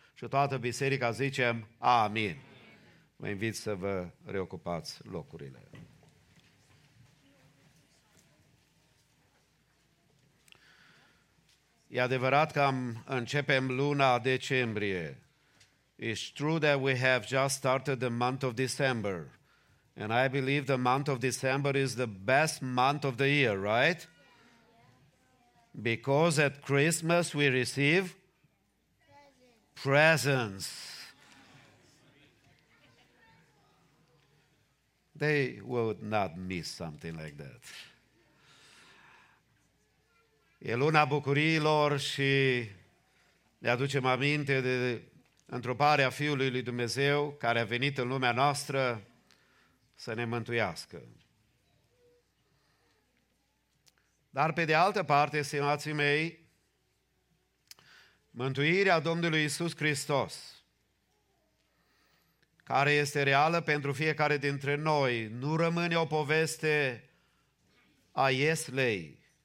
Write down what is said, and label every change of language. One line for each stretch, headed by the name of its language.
Romanian: Și toată biserica zicem, amin. Vă invit să vă reocupați locurile. E adevărat că începem luna decembrie.
English: It's true that we have just started the month of December. And I believe the month of December is the best month of the year, right? Because at Christmas we receive presents. They would not miss something like that.
Romanian: E luna bucuriilor și ne aducem aminte de întruparea Fiului lui Dumnezeu care a venit în lumea noastră să ne mântuiască. Dar pe de altă parte, stimații mei, mântuirea Domnului Iisus Hristos, care este reală pentru fiecare dintre noi, nu rămâne o poveste a Ieslei,